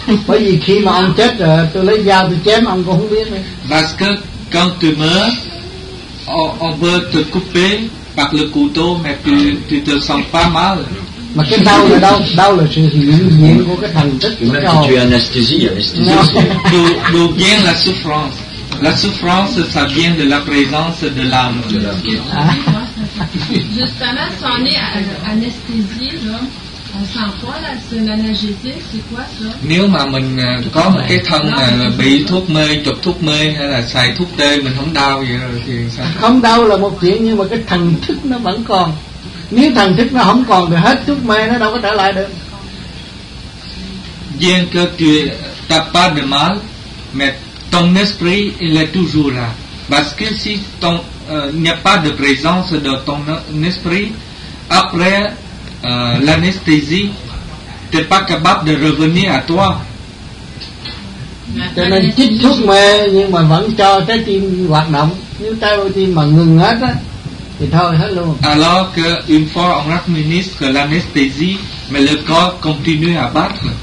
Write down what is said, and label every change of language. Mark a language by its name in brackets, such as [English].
[Vietnamese] Bởi vì khi mà ông chết rồi, tôi lấy dao tôi chém ông cũng không biết. [French] Parce que quand tu meurs, on veut te couper par le couteau, mais tu te sens pas mal. [Vietnamese] Mà cái đau là đau, đau là sự hiện diện của cái thần thức. [French] Même si tu es anesthésie, anesthésie. D'où vient la souffrance? La souffrance, ça vient de la présence de l'âme. Justement, si on est anesthésie, là, on sent quoi là, c'est une analgésie, c'est quoi ça? [Vietnamese] Nếu mà mình có một cái thân mà bị thuốc mê, chụp thuốc mê hay là xài thuốc tê, mình không đau vậy thì sao? Không đau là một chuyện, nhưng mà cái thần thức nó vẫn còn. Nếu thần thức nó không còn thì hết thuốc mê nó đâu có trở lại được. [French] Bien que tu n'as pas de mal, mais ton esprit il est toujours là. Parce que si ton n'y a pas de présence de ton esprit, après l'anesthésie, tu n'es pas capable de revenir à toi. [Vietnamese] Cho nên chích thuốc mê nhưng mà vẫn cho trái tim hoạt động. Nếu trái tim mà ngừng hết á, thì thôi hết luôn. [French] Alors que une fois on administre que l'anesthésie, mais le corps continue à battre.